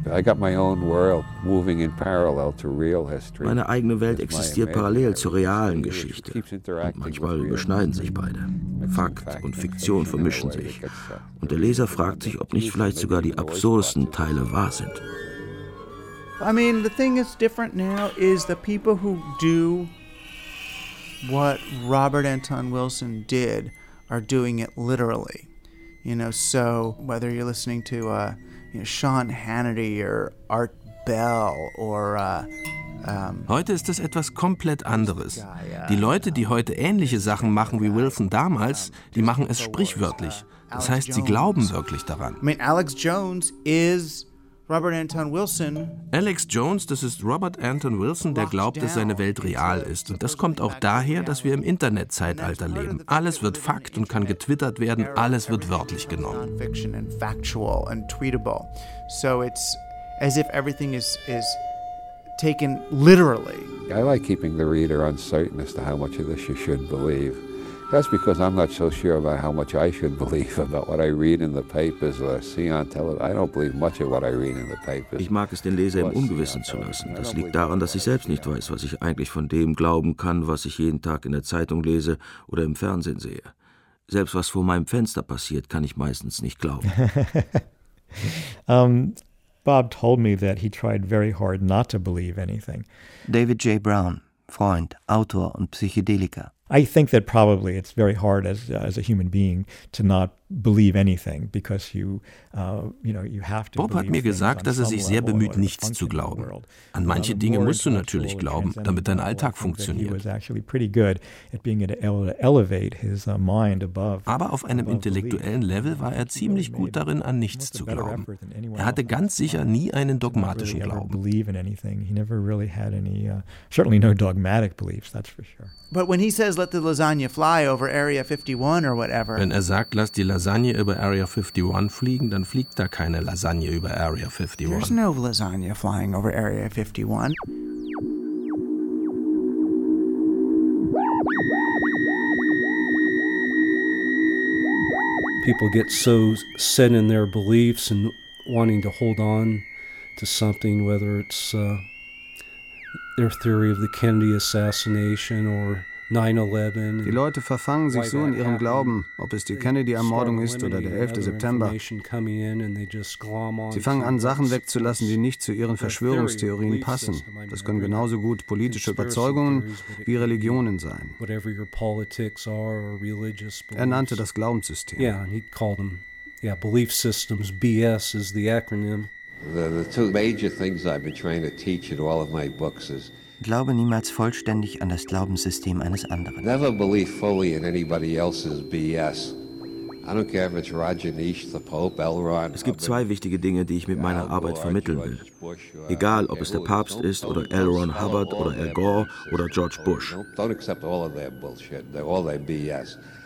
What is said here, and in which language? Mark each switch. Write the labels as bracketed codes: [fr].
[en] I got my own world moving in parallel to real history. [de] Meine eigene Welt existiert parallel zur realen Geschichte. Und manchmal überschneiden sich beide. Fakt und Fiktion vermischen sich. Und der Leser fragt sich, ob nicht vielleicht sogar die absurdesten Teile wahr sind. [en] I mean, the thing that's different now is the people who do what Robert Anton Wilson did are doing it literally. You know, so whether you're listening to Sean Hannity or Art Bell or [de] heute ist es etwas komplett anderes. Die Leute, die heute ähnliche Sachen machen wie Wilson damals, die machen es sprichwörtlich. Das heißt, sie glauben wirklich daran. [en] I mean, Alex Jones is Robert Anton Wilson. [de] Alex Jones, das ist Robert Anton Wilson, der glaubt, dass seine Welt real ist. Und das kommt auch daher, dass wir im Internetzeitalter leben. Alles wird Fakt und kann getwittert werden. Alles wird wörtlich genommen. [en] So it's as if everything is taken literally. I like keeping the reader uncertain as to how much of this you should believe. That's because I'm not so sure about how much I should believe about what I read in the papers or see on television. I don't believe much of what I read in the papers. [de] Ich mag es, den Leser im Ungewissen zu lassen. Das liegt daran, dass ich selbst nicht weiß, was ich eigentlich von dem glauben kann, was ich jeden Tag in der Zeitung lese oder im Fernsehen sehe. Selbst was vor meinem Fenster passiert, kann ich meistens nicht glauben. [en] Bob told me that he tried very hard not to believe anything. [de] David J. Brown, Freund, Autor und Psychedeliker. [en] I think that probably it's very hard as a human being to not believe anything because you you know you have to. [de] Bob hat mir gesagt, dass er sich sehr bemüht, nichts zu glauben. An manche Dinge musst du natürlich glauben, damit dein Alltag funktioniert. [en] He was actually pretty good at being able to elevate his mind above. [de] Aber auf einem intellektuellen Level war er ziemlich gut darin, an nichts zu glauben. Er hatte ganz sicher nie einen dogmatischen Glauben. [en] Believe in anything. He never really had any certainly no dogmatic beliefs. That's for sure. But when he says let the lasagna fly over Area 51 or whatever. [de] Wenn er sagt, lass die Lasagne über Area 51 fliegen, dann fliegt da keine Lasagne über Area 51. [en] There's no lasagna flying over Area 51. People get so set in their beliefs and wanting to hold on to something, whether it's their theory of the Kennedy assassination or 9/11. [de] Die Leute verfangen sich so in ihrem Glauben, ob es die Kennedy-Ermordung ist oder der 11. September. Sie fangen an, Sachen wegzulassen, die nicht zu ihren Verschwörungstheorien passen. Das können genauso gut politische Überzeugungen wie Religionen sein. Er nannte das Glaubenssystem. Ja, und er nannte es Beliefssystems. BS ist das Akronym. [en] The two major things I've been trying to teach in all of my books is [de] glaube niemals vollständig an das Glaubenssystem eines anderen. [en] Never believe fully in anybody else's BS. I don't care if it's Rajneesh, the Pope, Elrond. [de] Es gibt zwei wichtige Dinge, die ich mit meiner Arbeit vermitteln will. Egal, ob es der Papst ist oder L. Ron Hubbard oder Al Gore oder George Bush. [en] Don't accept all of their bullshit, all their BS.